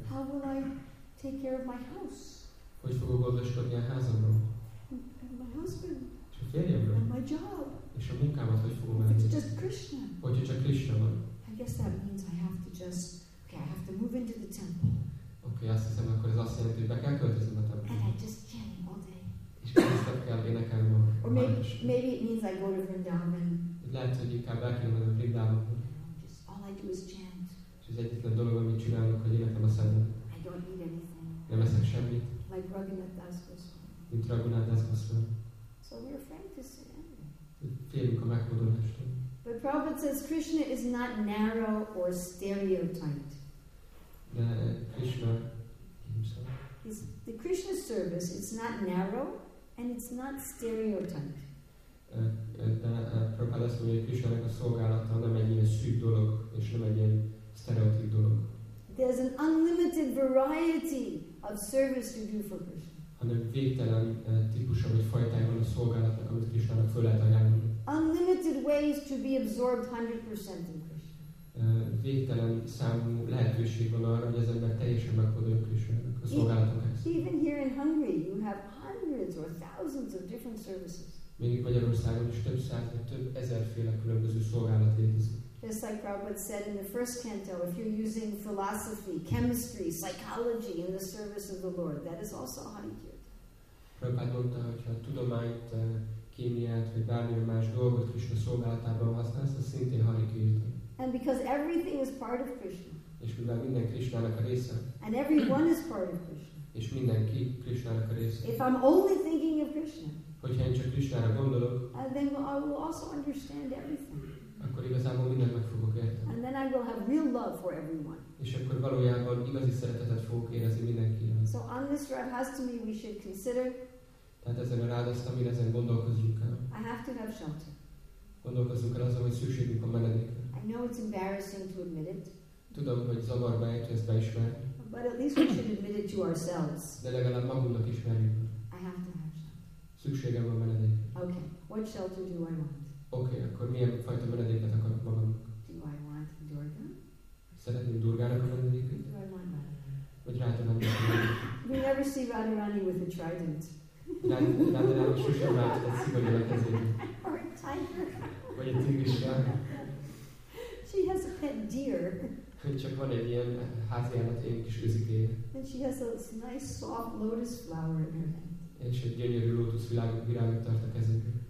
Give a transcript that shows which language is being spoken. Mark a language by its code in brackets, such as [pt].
[en] How will I take care of my house? [hu] Hogy fogok gondoskodni a házamról? [en] And my husband. [hu] És a férjemről. [en] And my job. [hu] És a munkámat hogy fogom elvégezni? [en] If it's just Krishna. [hu] Hogyha csak Krishna van. [en] I guess that means I have to just, okay, I have to move into the temple. [hu] Oké, azt hiszem, akkor ez azt jelenti, hogy be kell költözni a templomba. [en] And I just chant all day. [hu] És kisztebb kell énekelni a [en] Or maybe it means I go to Vrindavan. [hu] Lehet, hogy inkább el kell mennem Vrindavan. [en] Just all I do is chant. [hu] És az egyetlen dolog, amit csinálok, hogy énekelem a szemben. [en] I don't eat anything. [hu] Nem eszek semmit. [en] Like Raghunath Das Goswami. [hu] mint Raghunandas Goswami. [en] So we're afraid to sin. [hu] Félünk a megfordulástól. [en] But Prabhupada says Krishna is not narrow or stereotyped. De Krishna himself. He's, the Krishna service is not narrow and it's not stereotyped. [hu] De Prabhupada azt mondja, hogy Krishna-nek a szolgálata nem egy ilyen szűk dolog, és nem egy ilyen stereotíp dolog. [en] There's an unlimited variety of service to do for Krishna. [hu] Hanem végtelen típusa vagy fajtája van a szolgálatnak, amit Krishna-nak föl lehet ajánlani. [en] Unlimited ways to be absorbed 100% in Krishna. [hu] Végtelen számú lehetőség van arra, hogy az ember teljesen megfordul Krishna-nak a szolgálatokhoz. [en] Even here in Hungary, you have hundreds or thousands of different services. [hu] Még itt Magyarországon is több száz, több ezerféle különböző szolgálat létezik. [en] Just like Prabhupada said in the first canto, if you're using philosophy, chemistry, psychology in the service of the Lord, that is also Hanukkah. [hu] Prabhupada mondta, hogyha tudományt, kémiát, vagy bármilyen más dolgot Krishna szolgálatában használsz, az szintén Hanukkah. [en] And because everything is part of Krishna. [hu] És mivel minden Krishna-nak a része. [en] And everyone is part of Krishna. [hu] És mindenki Krishna-nak a része. [en] If I'm only thinking of Krishna. [hu] Hogyha én csak Krishna-ra gondolok, [en] then I will also understand everything. [hu] Akkor igazából mindent meg fogok érteni. [en] And then I will have real love for everyone. [hu] És akkor valójában igazi szeretetet fogok érezni mindenkire. [en] So on this Radhasthami we should consider. [hu] Tehát ezen a Radhasthamin, ezen gondolkozzunk el. [en] I have to have shelter. [hu] Gondolkozzunk el azon, hogy szükségünk a menedékre. [en] I know it's embarrassing to admit it. [hu] Tudom, hogy zavarba ejtő ezt beismerni. [en] But at least we should admit it to ourselves. [hu] De legalább magunknak ismerjük. [en] I have to have shelter. [hu] Szükségem van menedékre. [en] Okay, what shelter do I want? [hu] Okay, akkor milyen fajta menedéket akarok magamnak? [en] Do I want Durga? [hu] Szeretném Durgának a menedéket? [en] Do I want Radharani? [hu] Vagy Radharani a menedéket? [en] We never see Radharani with a trident. [hu] Radharani sosem látta a szigonyra kezébe. [en] Or a tiger. [hu] Vagy egy tigrisvár. [en] She has a pet deer. [hu] Csak van egy ilyen háziállat, egy kis őzikéje. [en] And she has a nice soft lotus flower in her hand. [hu] És egy gyönyörű lótusz virágot tart a kezébe.